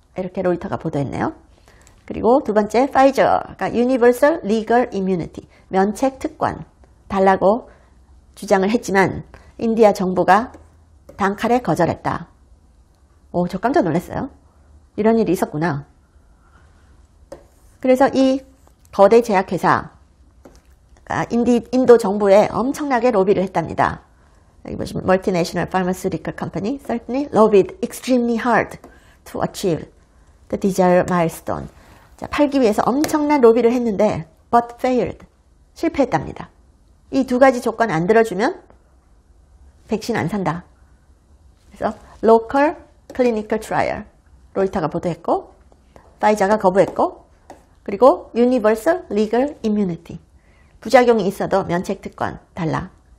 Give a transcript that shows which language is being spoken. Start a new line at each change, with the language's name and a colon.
Korean: 이렇게 로이터가 보도했네요. 그리고 두 번째, 파이저가 Universal Legal Immunity, 면책 특권 달라고 주장을 했지만 인디아 정부가 단칼에 거절했다. 오, 저 깜짝 놀랐어요. 이런 일이 있었구나. 그래서 이 거대 제약회사, 인도 정부에 엄청나게 로비를 했답니다. 여기 보시면
English: Multinational Pharmaceutical Company certainly lobbied extremely hard to achieve the desired milestone.
Korean: 자, 팔기 위해서 엄청난 로비를 했는데
English: but failed.
Korean: 실패했답니다. 이 두 가지 조건 안 들어주면 백신 안 산다. 그래서 local clinical trial 로이터가 보도했고 파이자가 거부했고 그리고 universal legal immunity 부작용이 있어도 면책 특권 달라.